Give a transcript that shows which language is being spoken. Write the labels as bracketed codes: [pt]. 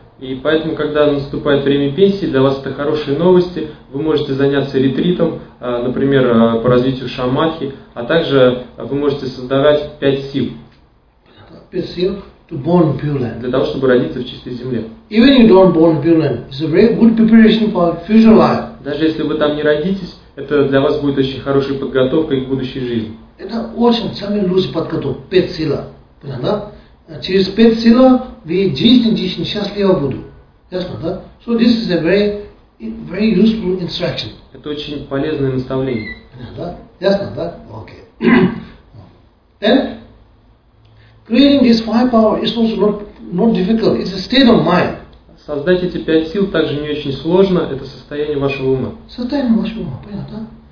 [ru] И поэтому, когда наступает время пенсии, для вас это хорошие новости. Вы можете заняться ретритом, например, по развитию шамадхи, а также вы можете создавать пять сил. Пять сил [en] to born pure land. [ru] Для того, чтобы родиться в чистой земле. [en] Even you don't born pure land, it's a very good preparation for future life. [ru] Даже если вы там не родитесь, это для вас будет очень хорошей подготовкой к будущей жизни. Это очень самый лучший подготовок. Пять сил. Понятно? Через пять сил вы действительно счастливо буду. Ясно, да? [en] So this is a very useful instruction. [ru] Это очень полезное наставление. Ясно, да? Окей. [en] Then, creating this five power is also not difficult. It's a state of mind. [ru] Создать эти пять сил также не очень сложно. Это состояние вашего ума. Состояние вашего ума, понятно, да?